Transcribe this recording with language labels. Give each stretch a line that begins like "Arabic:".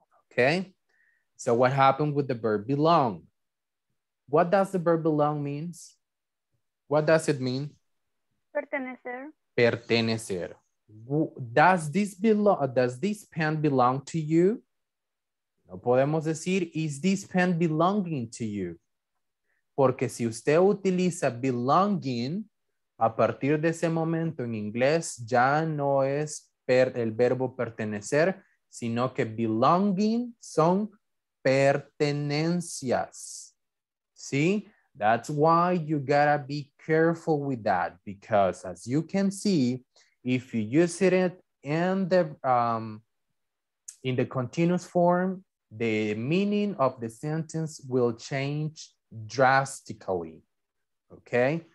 English: Okay? So what happened with the verb belong? What does the verb belong means? What does it mean?
Spanish: Pertenecer. Pertenecer.
English: Does this pen belong to you?
Spanish: No podemos decir,
English: is this pen belonging to you?
Spanish: Porque si usted utiliza belonging, a partir de ese momento en inglés, ya no es el verbo pertenecer, sino que belonging son pertenencias. ¿Sí?
English: That's why you gotta be careful with that, because as you can see, if you use it in the continuous form, the meaning of the sentence will change drastically, okay?